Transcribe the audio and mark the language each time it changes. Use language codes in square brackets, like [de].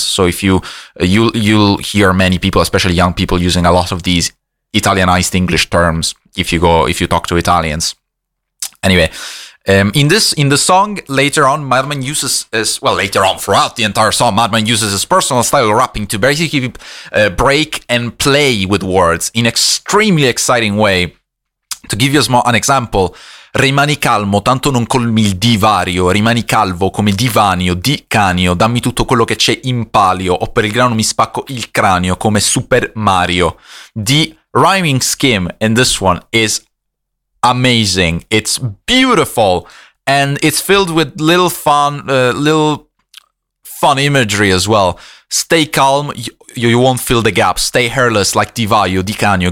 [en] So if you'll hear many people, especially young people, using a lot of these Italianized English terms if you talk to Italians. Anyway. In the song, later on, Madman uses his, well, later on, throughout the entire song, Madman uses his personal style of rapping to basically break and play with words in extremely exciting way. To give you an example, [it] rimani calmo, tanto non colmi il divario, rimani calvo come divanio, di canio, dammi tutto quello che c'è in palio, o per il grano mi spacco il cranio come Super Mario. [en] The rhyming scheme in this one is amazing. It's beautiful, and it's filled with little fun imagery as well. Stay calm, you won't fill the gap. Stay hairless like Divaio, Dicanio.